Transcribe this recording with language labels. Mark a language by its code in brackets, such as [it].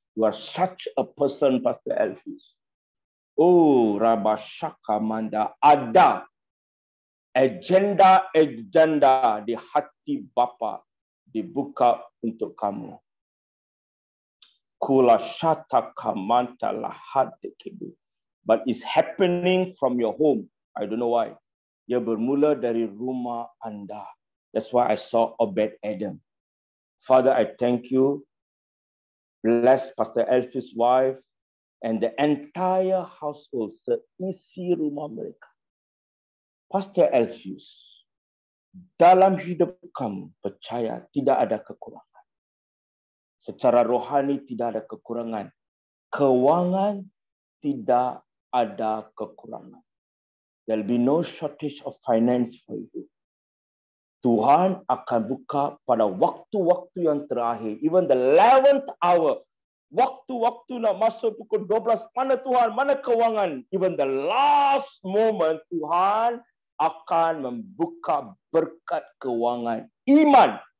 [en] You are such a person, [ms] Pastor Elvis. Oh, Rabba Shaka Manda, ada agenda-agenda di hati Bapa dibuka untuk kamu. Kula shata kamanta lahade kibu. [en] But it's happening from your home. I don't know why. [ms] Ia bermula dari rumah anda. [en] That's why I saw Obed Adam. Father, I thank you. Bless Pastor Elfie's wife and the entire household. [ms] Seisi rumah mereka. Pastor Elfius, dalam hidup kamu percaya tidak ada kekurangan. Secara rohani tidak ada kekurangan. Kewangan tidak ada kekurangan. [en] There'll be no shortage of finance for you. [ms] Tuhan akan buka pada waktu-waktu yang terakhir. [en] Even the 11th hour. [ms] Waktu-waktu nak masuk pukul 12. Mana Tuhan? Mana kewangan? [en] Even the last moment, [ms] Tuhan akan membuka berkat kewangan. Iman.